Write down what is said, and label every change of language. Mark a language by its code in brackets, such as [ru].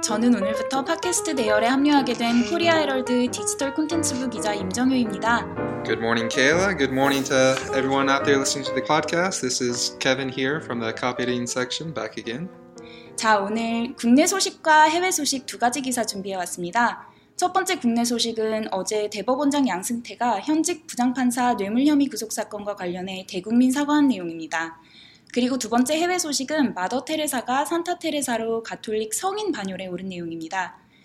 [ko] 저는 오늘부터 팟캐스트 대열에 합류하게 된 코리아 헤럴드 디지털 콘텐츠부 기자 임정효입니다. [en] Good morning, Kayla. Good morning to everyone out there listening to the podcast. This is Kevin here from the copywriting section back again. [ko] 자, 오늘 국내 소식과 해외 소식 두 가지 기사 준비해 왔습니다. 첫 번째 국내 소식은 어제 대법원장 양승태가 현직 부장판사 뇌물 혐의 구속 사건과 관련해 대국민 사과한 내용입니다. 그리고 두 번째 해외 소식은 마더 테레사가 산타 테레사로 가톨릭 성인 반열에 오른 내용입니다.